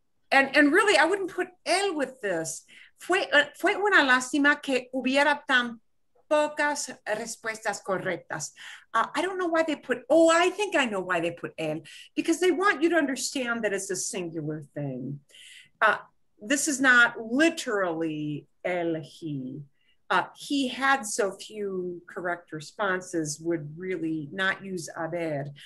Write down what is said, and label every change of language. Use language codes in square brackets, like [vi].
[en] And really, I wouldn't put el with this. [es] Fue una lástima que hubiera tan pocas respuestas correctas. [en] I don't know why they put, I think I know why they put el. Because they want you to understand that it's a singular thing. This is not literally el he. He had so few correct responses, would really not use haber.